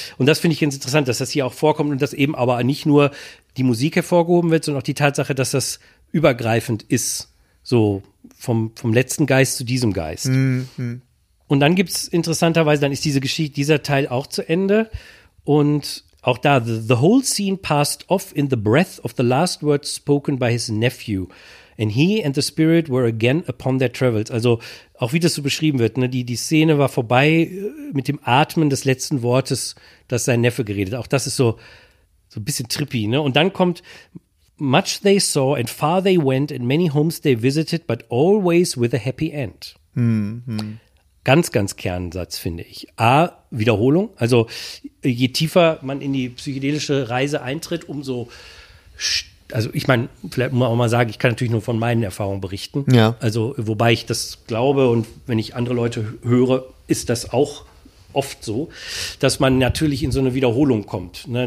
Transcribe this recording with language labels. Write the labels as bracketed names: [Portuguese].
[German] Und das finde ich ganz interessant, dass das hier auch vorkommt und dass eben aber nicht nur die Musik hervorgehoben wird, sondern auch die Tatsache, dass das übergreifend ist, so vom letzten Geist zu diesem Geist. Mm-hmm. Und dann gibt es interessanterweise, dann ist diese Geschichte, dieser Teil auch zu Ende. Und auch da, [English] the whole scene passed off in the breath of the last words spoken by his nephew. And he and the spirit were again upon their travels. [German] Also auch wie das so beschrieben wird, ne, die Szene war vorbei mit dem Atmen des letzten Wortes, das sein Neffe geredet. Auch das ist so ein bisschen trippy. Ne? Und dann kommt: [English] much they saw and far they went and many homes they visited, but always with a happy end. Mm-hmm. [German] Ganz, ganz Kernsatz, finde ich. A, Wiederholung. Also je tiefer man in die psychedelische Reise eintritt, umso, also ich meine, vielleicht muss man auch mal sagen, ich kann natürlich nur von meinen Erfahrungen berichten. Ja. Also wobei ich das glaube, und wenn ich andere Leute höre, ist das auch oft so, dass man natürlich in so eine Wiederholung kommt, ne?